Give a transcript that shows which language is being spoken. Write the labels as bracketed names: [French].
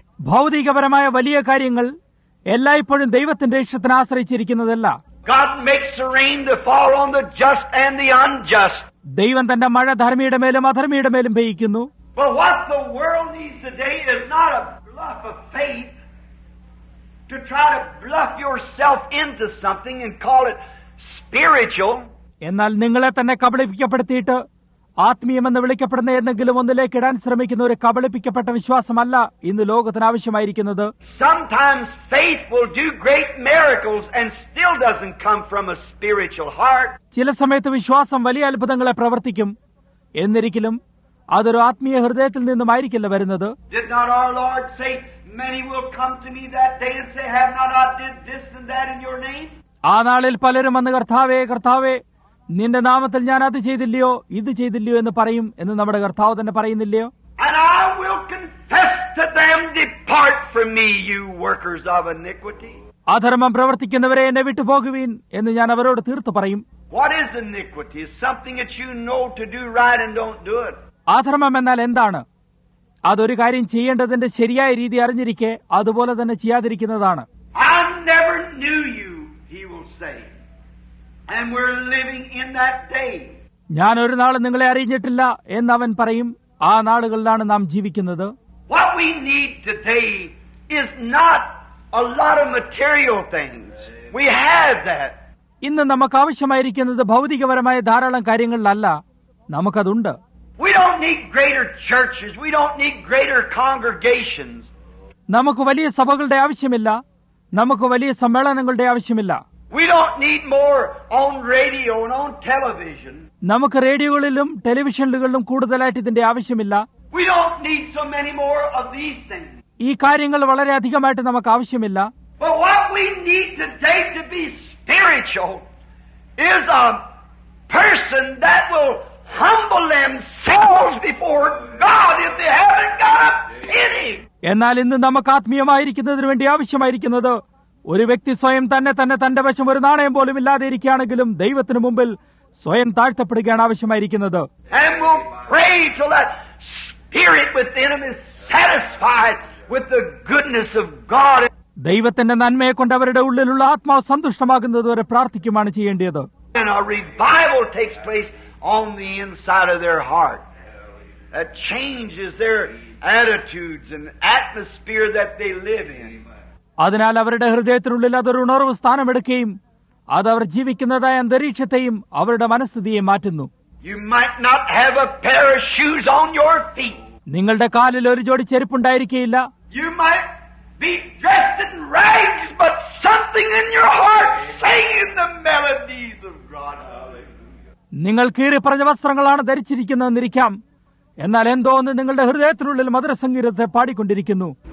[Malayalam] ഭൗതികപരമായ വലിയ കാര്യങ്ങൾ എല്ലായ്പ്പോഴും ദൈവത്തിന്റെ ഇഷ്ടത്തിന് ആശ്രയിച്ചിരിക്കുന്നതല്ല. [English] God makes the rain to fall on the just and the unjust. [Malayalam] ദൈവം തന്റെ മഴ ധർമ്മിയുടെ മേലും അധർമ്മിയുടെ മേലും പെയ്യിക്കുന്നു. [English] But what the world needs today is not a bluff of faith to try to bluff yourself into something and call it spiritual. [Malayalam] എന്നാൽ നിങ്ങളെ തന്നെ കബളിപ്പിക്കപ്പെടുത്തിയിട്ട് ആത്മീയം എന്ന് വിളിക്കപ്പെടുന്ന എന്തെങ്കിലും ഒന്നിലേക്ക് ഇടാൻ ശ്രമിക്കുന്ന ഒരു കബളിപ്പിക്കപ്പെട്ട വിശ്വാസമല്ല ഇന്ന് ലോകത്തിന് ആവശ്യമായിരിക്കുന്നത്. [English] Sometimes faith will do great miracles and still doesn't come from a spiritual heart. [Malayalam] ചില സമയത്ത് വിശ്വാസം വലിയ അത്ഭുതങ്ങളെ പ്രവർത്തിക്കും, എന്നിരിക്കലും അതൊരു ആത്മീയ ഹൃദയത്തിൽ നിന്നുമായിരിക്കില്ല വരുന്നത്. [English] Did not our Lord say many will come to me that day and say have not I did this and that in your name? [Malayalam] ആ നാളിൽ പലരും വന്ന് കർത്താവേ കർത്താവേ നിന്റെ നാമത്തിൽ ഞാൻ അത് ചെയ്തില്ലയോ ഇത് ചെയ്തില്ലയോ എന്ന് പറയും എന്ന് നമ്മുടെ കർത്താവ് തന്നെ പറയുന്നില്ലയോ. [English] And I will confess to them, depart from me, you workers of iniquity. [Malayalam] അധർമ്മം പ്രവർത്തിക്കുന്നവരെ എന്നെ വിട്ടുപോകുവീൻ എന്ന് ഞാൻ അവരോട് തീർത്തു പറയും. [English] What is iniquity? It's something that you know to do right and don't do it. [Malayalam] അധർമ്മം എന്നാൽ എന്താണ്? അതൊരു കാര്യം ചെയ്യേണ്ടതിന്റെ ശരിയായ രീതി അറിഞ്ഞിരിക്കെ അതുപോലെ തന്നെ ചെയ്യാതിരിക്കുന്നതാണ്. [English] I never knew you, he will say. And we're living in that day. [Malayalam] ഞാൻ ഒരു നാളും നിങ്ങളെ അറിയിച്ചിട്ടില്ല എന്ന് അവൻ പറയും. ആ നാളുകളിലാണ് നാം ജീവിക്കുന്നത്. [English] What we need today is not a lot of material things. We have that. [Malayalam] ഇന്ന് നമുക്ക് ആവശ്യമായിരിക്കുന്നത് ഭൗതികപരമായ ധാരാളം കാര്യങ്ങളല്ല, നമുക്കതുണ്ട്. [English] We don't need greater churches. We don't need greater congregations. [Malayalam] നമുക്ക് വലിയ സഭകളുടെ ആവശ്യമില്ല, നമുക്ക് വലിയ സമ്മേളനങ്ങളുടെ ആവശ്യമില്ല. [English] We don't need more on radio and on television. [Malayalam] നമുക്ക് റേഡിയോകളിലും ടെലിവിഷനുകളിലും കൂടുതലായിട്ട് ഇതിന്റെ ആവശ്യമില്ല. [English] We don't need so many more of these things. [Malayalam] ഈ കാര്യങ്ങൾ വളരെ അധികമായിട്ട് നമുക്ക് ആവശ്യമില്ല. [English] But what we need today to be spiritual is a person that will humble themselves before God if they haven't got a penny. [Malayalam] എന്നാൽ ഇന്ന് നമുക്ക് ആത്മീയമായിരിക്കുന്നതിന് വേണ്ടി ആവശ്യമായിരിക്കുന്നത് ഒരു വ്യക്തി സ്വയം തന്നെ തന്നെ തന്റെ വശം ഒരു നാണയം പോലും ഇല്ലാതെ ഇരിക്കുകയാണെങ്കിലും ദൈവത്തിന് മുമ്പിൽ സ്വയം താഴ്ത്തപ്പെടുകയാണ് ആവശ്യമായിരിക്കുന്നത്. [English] And we'll pray till that spirit within him is satisfied with the goodness of God. [Malayalam] ദൈവത്തിന്റെ നന്മയെ കൊണ്ട് അവരുടെ ഉള്ളിലുള്ള ആത്മാവ് സന്തുഷ്ടമാകുന്നത് വരെ പ്രാർത്ഥിക്കുകയാണ് ചെയ്യേണ്ടത്. [English] And a revival takes place on the inside of their heart. That changes their attitudes and atmosphere that they live in. [Malayalam] അതിനാൽ അവരുടെ ഹൃദയത്തിനുള്ളിൽ അതൊരു ഉണർവ് സ്ഥാനമെടുക്കുകയും അത് അവർ ജീവിക്കുന്നതായ അന്തരീക്ഷത്തെയും അവരുടെ മനസ്ഥിതിയെയും മാറ്റുന്നു. [English] You might not have a pair of shoes on your feet. [Malayalam] നിങ്ങളുടെ കാലിൽ ഒരു ജോഡി ചെരുപ്പുണ്ടായിരിക്കില്ല. [English] You might be dressed in rags, but something in your heart singing the melodies of God. [Malayalam] നിങ്ങൾ കീറി പറഞ്ഞ വസ്ത്രങ്ങളാണ് ധരിച്ചിരിക്കുന്നതെന്നിരിക്കാം, എന്നാൽ എന്തോ ഒന്ന് നിങ്ങളുടെ ഹൃദയത്തിനുള്ളിൽ മധുരസംഗീതത്തെ പാടിക്കൊണ്ടിരിക്കുന്നു.